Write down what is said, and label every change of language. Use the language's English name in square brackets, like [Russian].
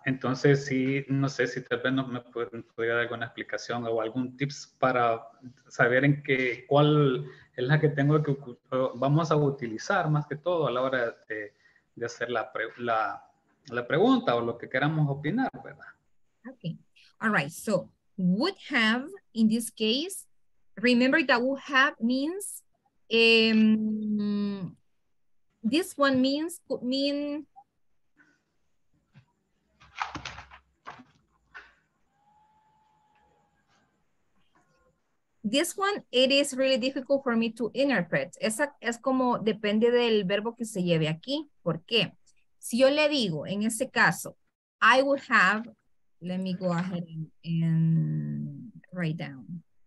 [Spanish] Entonces sí, no sé si tal vez no me pudiera dar alguna explicación o algún tips para saber en qué, cuál es la que tengo que, vamos a utilizar más que todo a la hora de hacer la pregunta o lo que queramos opinar, ¿verdad? [English] Okay. All right. So, would have, in this case, remember that would have means, this one means, could mean, this one, it is really difficult for me to interpret. [Spanish] Esa es como depende del verbo que se lleve aquí. ¿Por qué? Si yo le digo, en ese caso, [English] I would have, let me go ahead and write down.